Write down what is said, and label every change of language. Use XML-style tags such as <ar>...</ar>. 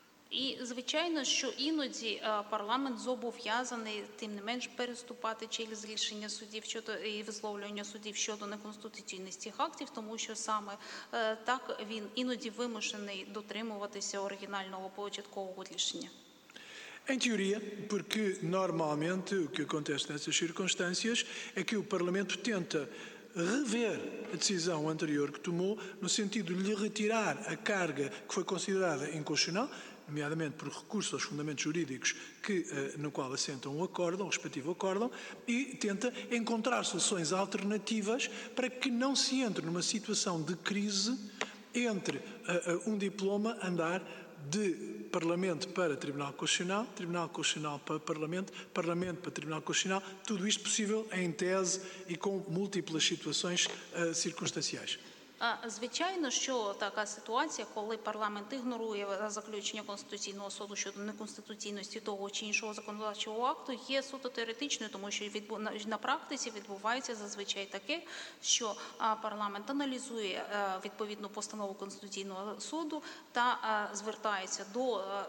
<uk>І, звичайно, що іноді парламент зобов'язаний, тим не менш, переступати через рішення судів щодо і висловлювання судів щодо неконституційності актів, тому що саме так він іноді вимушений дотримуватися оригінального початкового рішення.</uk> <pt>Em teoria, porque normalmente o que acontece nessas circunstâncias é que o Parlamento tenta rever a decisão anterior que tomou no sentido de lhe retirar a carga que foi considerada inconstitucional, nomeadamente por recurso aos fundamentos jurídicos que, no qual assentam o acórdão, o respectivo acórdão, e tenta encontrar soluções alternativas para que não se entre numa situação de crise entre um diploma andar de Parlamento para Tribunal Constitucional, Tribunal Constitucional para Parlamento, Parlamento para Tribunal Constitucional, tudo isto possível em tese e com múltiplas situações circunstanciais.</pt> <uk>Звичайно, що така ситуація, коли парламент ігнорує заключення Конституційного суду щодо неконституційності того чи іншого законодавчого акту, є суто теоретичною, тому що на практиці відбувається зазвичай таке, що парламент аналізує відповідну постанову Конституційного суду та звертається до</uk>